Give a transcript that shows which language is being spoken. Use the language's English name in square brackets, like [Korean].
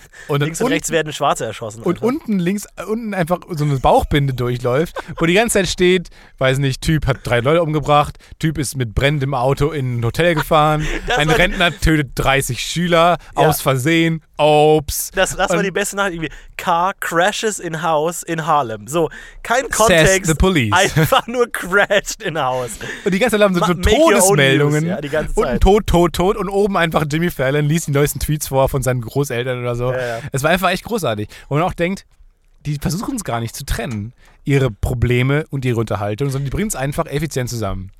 [German] Und links und rechts werden Schwarze erschossen. Und unten einfach so eine Bauchbinde durchläuft, wo die ganze Zeit steht, weiß nicht, Typ hat 3 Leute umgebracht, Typ ist mit brennendem Auto in ein Hotel gefahren, ein Rentner tötet 30 Schüler aus Versehen, Ops. Das war die beste Nachricht, irgendwie. [English] Car crashes in house in Harlem. [German] So, kein Kontext. [English] Says the police. [German] Einfach nur [English] crashed in house. [German] Und die ganze Zeit haben so Todesmeldungen. Ja, die ganze Zeit. Unten tot, tot, tot und oben einfach Jimmy Fallon liest die neuesten Tweets vor von seinen Großeltern oder so. Ja, ja. Es war einfach echt großartig. Und man auch denkt, die versuchen es gar nicht zu trennen, ihre Probleme und ihre Unterhaltung, sondern die bringen es einfach effizient zusammen.